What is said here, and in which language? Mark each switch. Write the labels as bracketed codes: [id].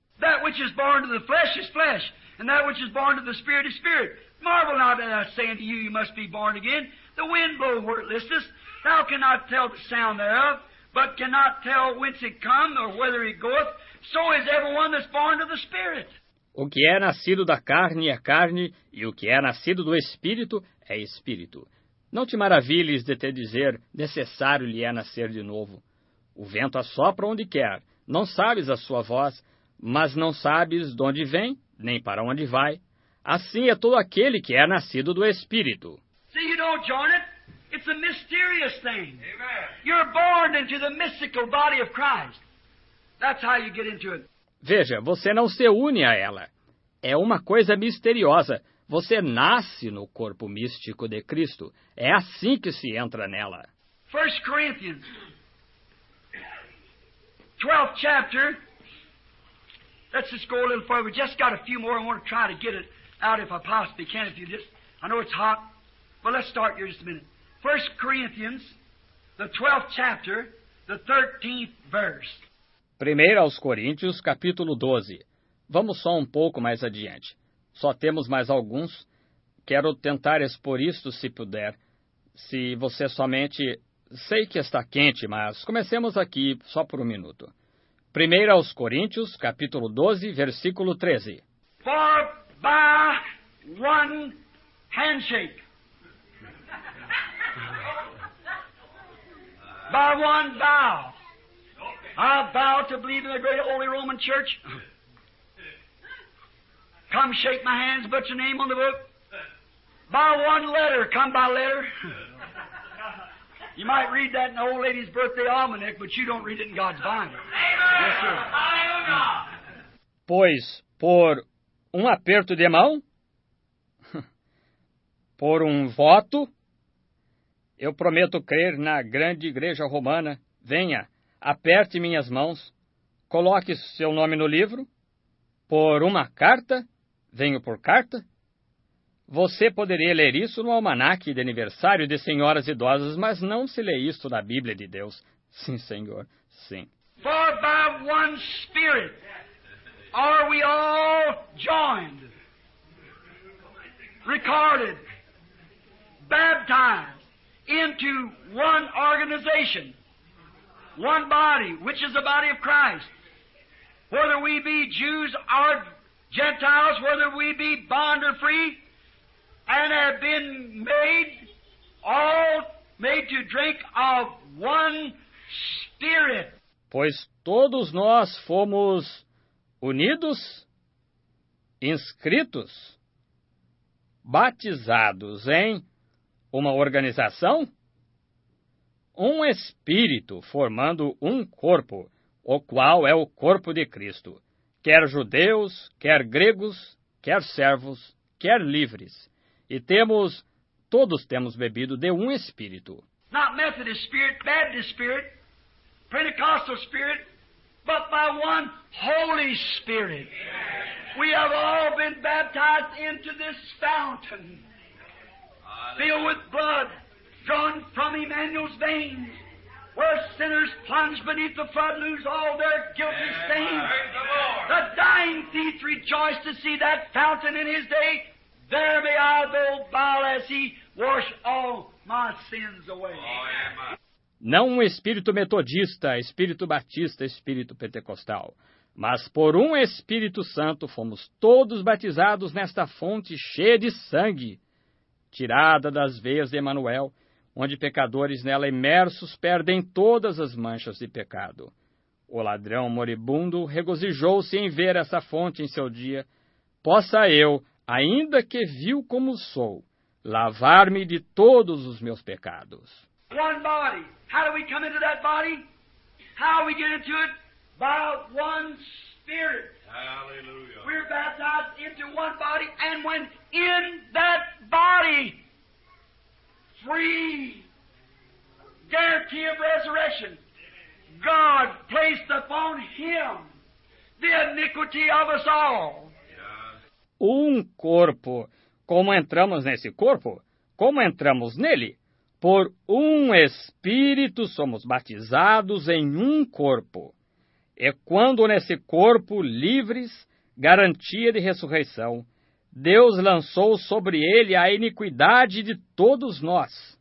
[en] That which is born to the flesh is flesh. And that which is born to the spirit is spirit. Marvel not that I say unto you, you must be born again. The wind blow where it listeth. Thou cannot tell the sound thereof, but cannot tell whence it come, or whither it goeth. So is everyone that's born of the Spirit. [pt] O que é nascido da carne é carne, e o que é nascido do Espírito é Espírito. Não te maravilhes de te dizer, necessário lhe é nascer de novo. O vento assopra onde quer, não sabes a sua voz, mas não sabes de onde vem, nem para onde vai. Assim é todo aquele que é nascido do Espírito. [en] See, you don't join it. It's a mysterious thing. Amen. You're born into the mystical body of Christ. That's how you get into it. [pt] Veja, você não se une a ela. É uma coisa misteriosa. Você nasce no corpo místico de Cristo. É assim que se entra nela. [en] 1 Corinthians, 12th chapter. Let's just go a little further. We just got a few more. I want to try to get it out if I possibly can. If you just, I know it's hot. But let's start here just a minute. 1 Corinthians, the 12th chapter, the 13th verse. [pt] 1 aos Coríntios, capítulo 12. Vamos só um pouco mais adiante. Só temos mais alguns. Quero tentar expor isto, se puder. Se você somente... Sei que está quente, mas comecemos aqui só por um minuto. 1 aos Coríntios, capítulo 12, versículo 13. [en] For by one handshake. By one bow. I bow to believe in the great Holy Roman Church. Come shake my hands, put your name on the book. By one letter, come by letter. You might read that in the old lady's birthday almanac, but you don't read it in God's Bible. Yes, sir. [pt] Pois, por um aperto de mão, por um voto, eu prometo crer na grande igreja romana. Venha, aperte minhas mãos, coloque seu nome no livro. Por uma carta, venho por carta. Você poderia ler isso no almanaque de aniversário de senhoras idosas, mas não se lê isto na Bíblia de Deus. Sim, Senhor, sim. [en] For by one Spirit are we all joined, recorded, baptized. Into one organization, one body, which is the body of Christ. Whether we be Jews or Gentiles, whether we be bond or free, and have been made, all made to drink of one spirit. [pt] pois todos nós fomos unidos, inscritos, batizados em uma organização, um espírito formando um corpo, o qual é o corpo de Cristo, quer judeus, quer gregos, quer servos, quer livres, e temos, todos temos bebido de um espírito. [en] Not Methodist spirit, Baptist spirit, Pentecostal spirit, but by one Holy Spirit. We have all been baptized into this fountain, filled with blood, drawn from Emmanuel's veins, where sinners plunge beneath the flood, lose all their guilty stains. The dying thief rejoiced to see that fountain in his day. There may I go bow as he wash all my sins away. [pt] Não um espírito metodista, espírito batista, espírito pentecostal, mas por um Espírito Santo fomos todos batizados nesta fonte cheia de sangue, tirada das veias de Emanuel, onde pecadores nela imersos perdem todas as manchas de pecado. O ladrão moribundo regozijou-se em ver essa fonte em seu dia. Possa eu, ainda que vil como sou, lavar-me de todos os meus pecados. [en] One body. How do we come into that body? How we get into it? By one spirit. Hallelujah. We're baptized into one body, and when in that body, free, guarantee of resurrection, God placed upon him the iniquity of us all. [pt] Um corpo. Como entramos nesse corpo? Como entramos nele? Por um Espírito somos batizados em um corpo. É quando nesse corpo livres, garantia de ressurreição, Deus lançou sobre ele a iniquidade de todos nós.